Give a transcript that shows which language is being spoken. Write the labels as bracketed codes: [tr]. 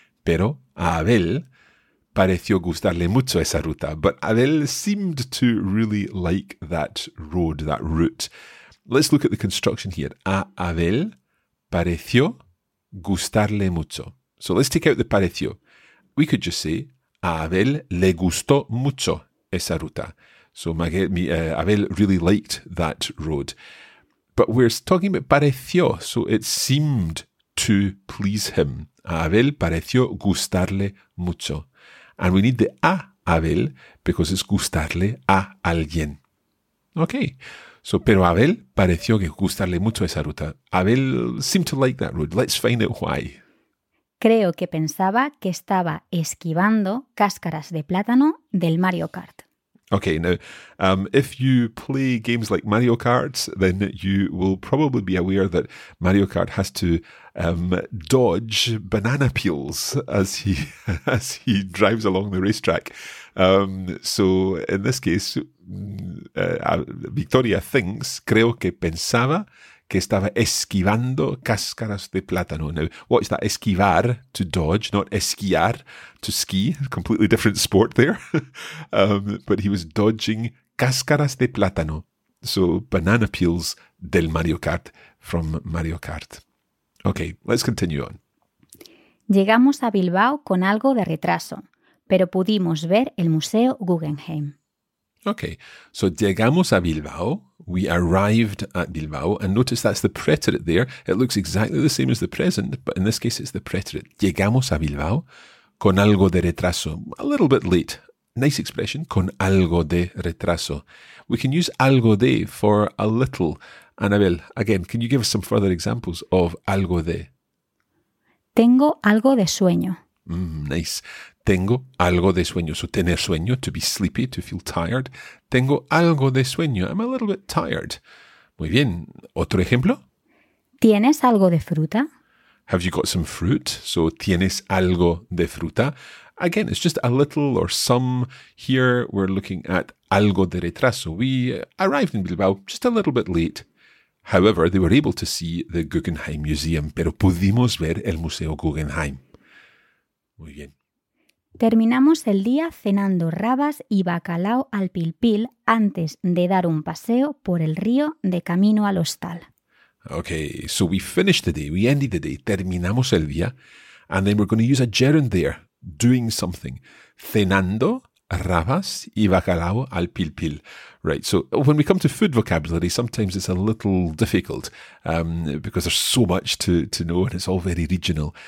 [es] Pero a Abel pareció gustarle mucho esa ruta. [en] But Abel seemed to really like that road, that route. Let's look at the construction here. [es] A Abel pareció gustarle mucho. [en] So let's take out the pareció. We could just say, [es] a Abel le gustó mucho esa ruta. [en] So Abel really liked that road. But we're talking about pareció, so it seemed to please him. [es] A Abel pareció gustarle mucho. [en] And we need the a Abel because it's [es] gustarle a alguien. [en] Okay. [es] So, pero Abel pareció que gustarle mucho esa ruta. [en] Abel seemed to like that road. Let's find out why. [es] Creo que pensaba que estaba esquivando cáscaras de plátano del Mario Kart. [en] Okay, now, if you play games like Mario Kart, then you will probably be aware that Mario Kart has to dodge banana peels as he drives along the racetrack. So in this case, Victoria thinks, [es] creo que pensaba que estaba esquivando cáscaras de plátano. [en] Now, what's that? Esquivar, to dodge, not esquiar, to ski. Completely different sport there. but he was dodging [es] cáscaras de plátano. [en] So banana peels del Mario Kart, from Mario Kart. Okay, let's continue on. [es] Llegamos a Bilbao con algo de retraso, pero pudimos ver el Museo Guggenheim. [en] Okay, so [es] llegamos a Bilbao, [en] we arrived at Bilbao, and notice that's the preterite there. It looks exactly the same as the present, but in this case it's the preterite. [es] Llegamos a Bilbao con algo de retraso, [en] a little bit late. Nice expression, [es] con algo de retraso. [en] We can use [es] algo de [en] for a little. Anabel, again, can you give us some further examples of algo de? [es] Tengo algo de sueño. [en] Nice. [es] Tengo algo de sueño. [en] So [es] tener sueño, [en] to be sleepy, to feel tired. [es] Tengo algo de sueño. [en] I'm a little bit tired. [es] Muy bien. ¿Otro ejemplo? ¿Tienes algo de fruta? [en] Have you got some fruit? So [es] tienes algo de fruta. [en] Again, it's just a little or some. Here we're looking at [es] algo de retraso. [en] We arrived in Bilbao just a little bit late. However, they were able to see the Guggenheim Museum. [es] Pero pudimos ver el Museo Guggenheim. Muy bien. Terminamos el día cenando rabas y bacalao al pilpil antes de dar un paseo por el río de camino al hostal. [en] Okay, so we finished the day, we ended the day, [es] terminamos el día, [en] and then we're going to use a gerund there, doing something. [es] Cenando, rabas y bacalao al pil pil. [en] Right, so when we come to food vocabulary, sometimes it's a little difficult because there's so much to know and it's all very regional.